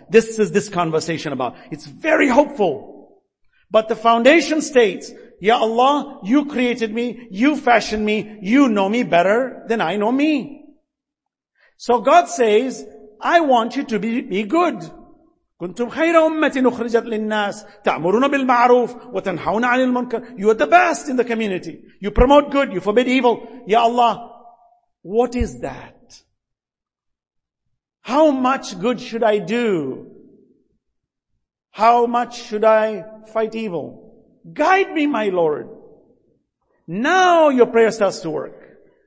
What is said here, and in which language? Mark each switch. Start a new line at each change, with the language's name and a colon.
English: This is this conversation about. It's very hopeful. But the foundation states, Ya Allah, you created me, you fashioned me, you know me better than I know me. So God says, I want you to be good.
Arabic: كُنْتُمْ خَيْرَ أُمَّةٍ أُخْرِجَتْ لِلنَّاسِ تَعْمُرُونَ بِالْمَعْرُوفِ وَتَنْحَوْنَ عَنِ الْمُنْكَرِ You are the best in the community.
English: You promote good, you forbid evil. Ya Allah, what is that? How much good should I do? How much should I fight evil? Guide me, my Lord. Now your prayer starts to work.